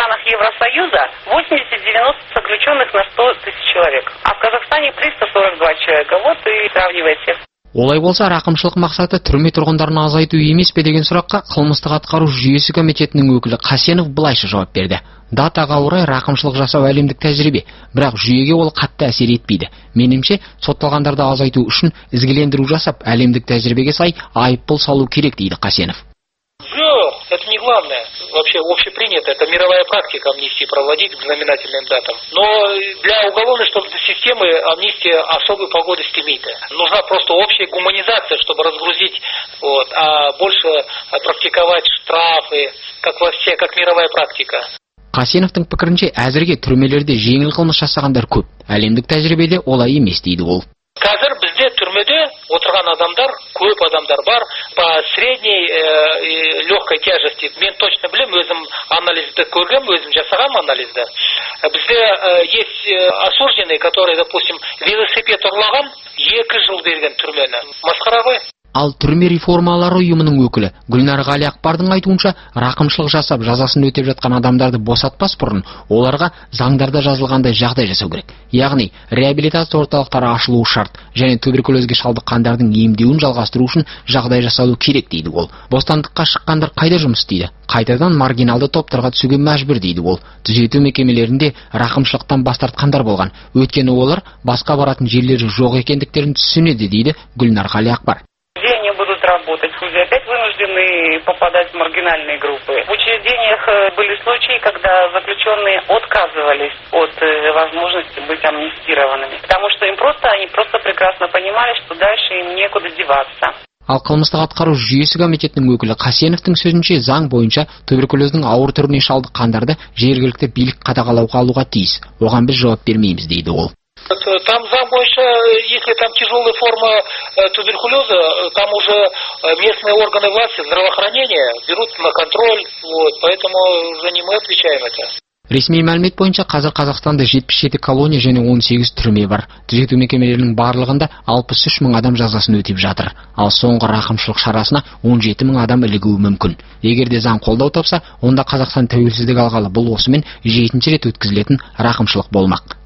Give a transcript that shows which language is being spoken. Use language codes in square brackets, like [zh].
[ru] Евросоюза 80-90 заключенных на 100 тысяч человек, а в Казахстане 342 человека. Вот и сравнивайте. [kk] Олай болса, рақымшылық мақсаты түрме тұрғындарын азайту емес пе деген сұраққа қылмыстық атқару жүйесі комитетінің өкілі Қасенов былайша жауап берді. Датаға орай рақымшылық жасау әлемдік тәжірибе, бірақ жүйеге ол қатты әсер етпейді. Менімше, сотталғандарды азайту үшін ізгілендіру жасап, әлемдік тәжірибеге сай айыппұл салу керек, дейді Қасенов. [ru] Жоқ, это не главное. Вообще общепринято, это мировая практика амнистии проводить к знаменательным датам. Но для уголовной системы амнистия особой погоды стимит. Нужна просто общая гуманизация, чтобы разгрузить, вот, а больше практиковать штрафы, как вообще, как мировая практика. [kk] Қасеновтың пікірінше, әзірге түрмелерде жеңіл қылмыс жасағандар көп. Әлемдік тәжірибеде олай емес, дейді ол. Қазір бізде түрмеде отырған адамдар, көп адамдар бар, [ru] по средней легкой тяжести. [kk] Мен точно білем, өзім анализді көргем, өзім жасағам анализді. Бізде [ru] есть осужденный, который, допустим, [kk] велосипед ұрлаған, 2 жыл берген түрмені. Масқарағы. Ал түрме реформалары ұйымының өкілі Гүлнар Ғалиақпардың айтуынша, рақымшылық жасап жазасын өтеп жатқан адамдарды босатпас бұрын, оларға заңдарда жазылғандай жағдай жасау керек. Яғни, реабилитация орталықтары ашылуы шарт, және туберкулезге шалдыққандардың емдеуін жалғастыру үшін жағдай жасалу керек, дейді ол. Бостандыққа шыққандар қайда жұмыс істейді? Қайтадан маргиналды топтарға түсуге мәжбүр, дейді ол. Түзету мекемелерінде рақымшылықтан бас тартқандар болған. Өткені олар басқа баратын жерлері жоқ екендіктерін түсінеді, дейді Гүлнар Ғалиақпар. [ru] Люди опять вынуждены попадать в маргинальные группы. В учреждениях были случаи, когда заключенные отказывались от возможности быть амнистированными. Потому что им просто, они просто прекрасно понимали, что дальше им некуда деваться. [kk] Ал қылмыстық атқару жүйесі комитетінің өкілі Қасеновтың сөзінше, заң бойынша туберкулездің ауыр түріне шалдыққандарды жергілікті билік қадағалауға алуға тиіс. Оған біз жауап бермейміз, дейді ол. [ru] Там зам больше, если там тяжелая форма туберкулеза, там уже местные органы власти, здравоохранения берут на контроль, вот, поэтому за ним мы отвечаем это. [kk] Ресми мәлімет бойынша, қазір Қазақстанда 77 колония және 18 түрме бар. Түзету мекемелерінің барлығында 63 мың адам жазасын өтеп жатыр. Ал соңғы рақымшылық шарасына 17 мың адам ілігуі мүмкін. Егер де заң қолдау тапса, онда Қазақстан тәуелсіздік алғалы бұл осымен 7-ші рет өткізілетін рақымшылық болмақ.